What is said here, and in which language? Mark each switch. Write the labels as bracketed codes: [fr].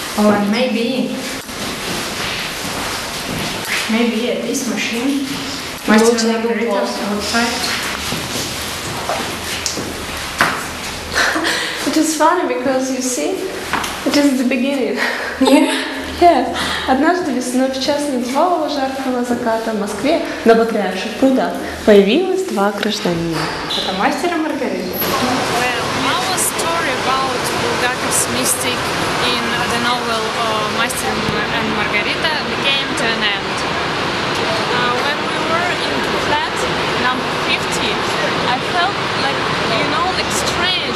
[en] Or maybe. Maybe at this machine. Master and outside. It is funny because you see, it is the beginning. Yeah. Yeah. [ru] Однажды весной в час незваного жаркого заката в Москве на патриарших прудах появилось два гражданина. Это мастер и Маргарита. [en] Well, our story about Bulgakov's mystic in the novel Master and Margarita came to an end. When we were in flat number 50, I felt like, you know, like strange.